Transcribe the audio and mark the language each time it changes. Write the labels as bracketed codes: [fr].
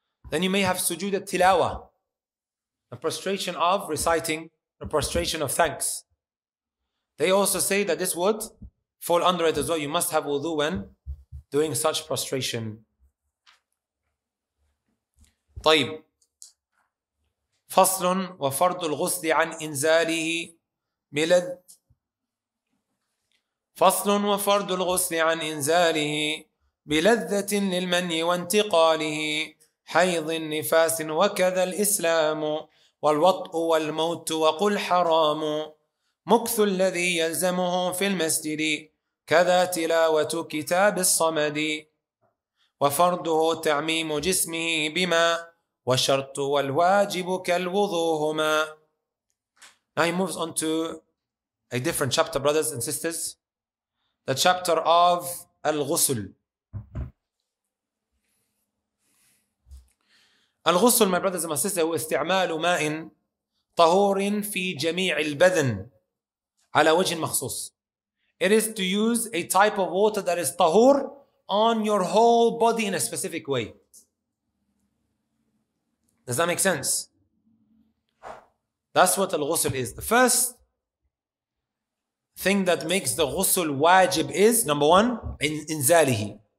[en] Then you may have sujood at-tilawa, a prostration of reciting, a prostration of thanks. They also say that this would fall under it as well. You must have wudu when doing such prostration. [ar] طيب. فصل وفرض الغسل عن إنزاله بلد. فصل وفرض الغسل عن إنزاله بلذة للمني وانتقاله حيض النفاس وكذا الإسلام والوطء والموت وقل حرام مكث الذي يلزمه في المسجد كذا تلاوة كتاب الصمد وفرضه تعميم جسمه بما وشرط والواجب كالوضوهما. [en] Now he moves on to a different chapter, brothers and sisters. The chapter of Al-Ghusl. [ar] الغسل, [en] my brothers and my sisters, [ar] واستعمال ماء طهور في جميع البدن على وجه مخصوص. [en] It is to use a type of water that is tahur on your whole body in a specific way. Does that make sense? That's what al-ghusl is. The first thing that makes the ghusl wajib is, number one, inzalihi.